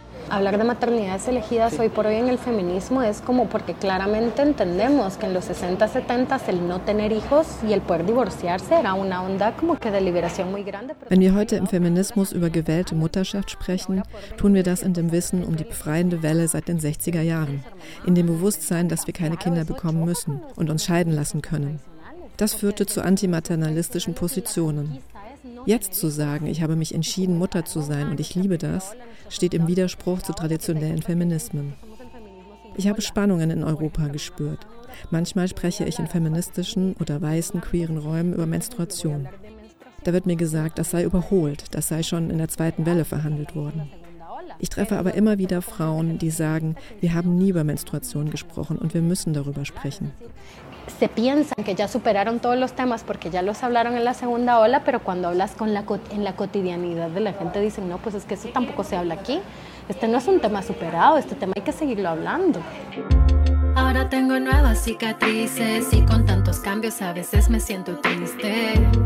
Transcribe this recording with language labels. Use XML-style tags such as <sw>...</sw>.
<es>Hablar de maternidades elegidas hoy por hoy en el feminismo es como porque claramente entendemos que en los 60, 70 el no tener hijos y el poder divorciarse era una onda como que de liberación muy grande.</es> <de>Wenn wir heute im Feminismus über gewählte Mutterschaft sprechen, tun wir das in dem Wissen um die befreiende Welle seit den 60er Jahren, in dem Bewusstsein, dass wir keine Kinder bekommen müssen und uns scheiden lassen können. Das führte zu antimaternalistischen Positionen. Jetzt zu sagen, ich habe mich entschieden, Mutter zu sein und ich liebe das, steht im Widerspruch zu traditionellen Feminismen. Ich habe Spannungen in Europa gespürt. Manchmal spreche ich in feministischen oder weißen queeren Räumen über Menstruation. Da wird mir gesagt, das sei überholt, das sei schon in der zweiten Welle verhandelt worden. Ich treffe aber immer wieder Frauen, die sagen, wir haben nie über Menstruation gesprochen und wir müssen darüber sprechen.</de> <es>Se piensan que ya superaron todos los temas porque ya los hablaron en la segunda ola, pero cuando hablas con la cotidianidad de la gente dicen, no, pues es que eso tampoco se habla aquí. Este no es un tema superado, este tema hay que seguirlo hablando. Ahora tengo nuevas cicatrices y con tantos cambios a veces me siento triste.</es>